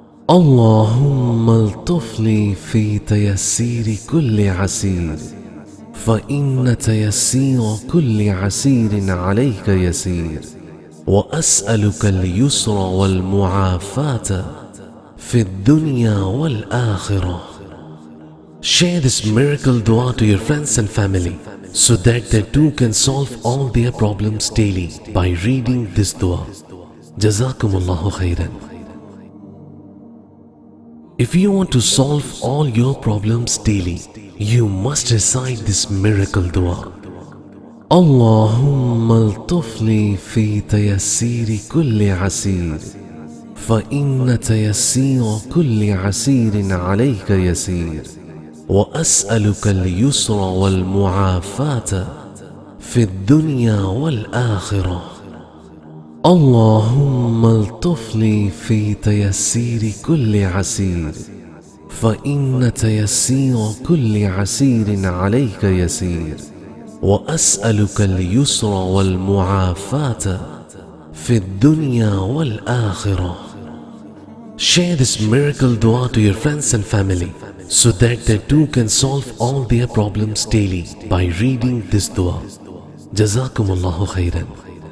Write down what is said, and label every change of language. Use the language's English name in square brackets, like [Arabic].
[Arabic] اللهم الطف لي في تيسير كل عسير فإن تيسير كل عسير عليك يسير وأسألك اليسر والمعافاة في الدنيا والآخرة. [English] Share this miracle dua to your friends and family so that they too can solve all their problems daily by reading this dua. [Arabic] جزاكم الله خيرا. [English] If you want to solve all your problems daily, you must recite this miracle dua. [Arabic] Allahumma altuf li fi tayassiri kulli asir, fa inna tayassira kulli asirin alayka yasir, wa as'aluka al-yusra wal-mu'afata fi al-dunya wal-akhirah. اللهم الطف لي في تيسير كل عسير فإن تيسير كل عسير عليك يسير وأسألك اليسر والمعافاة في الدنيا والآخرة. [English] Share this miracle dua to your friends and family so that they too can solve all their problems daily by reading this dua. [Arabic] جزاكم الله خيراً.